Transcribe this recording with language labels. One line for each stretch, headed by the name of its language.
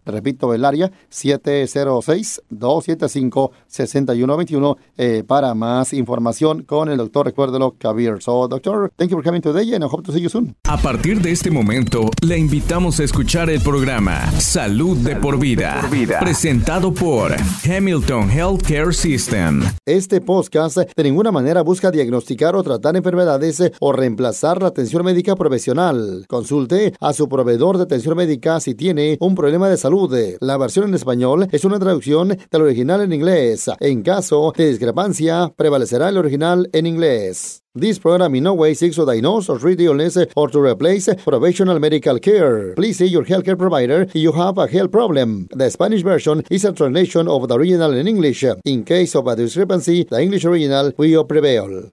Spanish: Repito, el área 706-275-6121 para más información con el doctor, recuérdelo, Kabir.
English: So, doctor, thank you for coming today and I hope to see you soon.
Spanish: A partir de este momento, le invitamos a escuchar el programa Salud de por vida, presentado por Hamilton Healthcare System. Este podcast de ninguna manera busca diagnosticar o tratar enfermedades o reemplazar la atención médica profesional. Consulte a su proveedor de atención médica si tiene un problema de salud. salud. La versión en español es una traducción del original en inglés. En caso de discrepancia, prevalecerá el original en inglés.
English: This program in no way seeks to diagnose or treat illness or to replace professional medical care. Please see your healthcare provider if you have a health problem. The Spanish version is a translation of the original in English. In case of a discrepancy, the English original will prevail.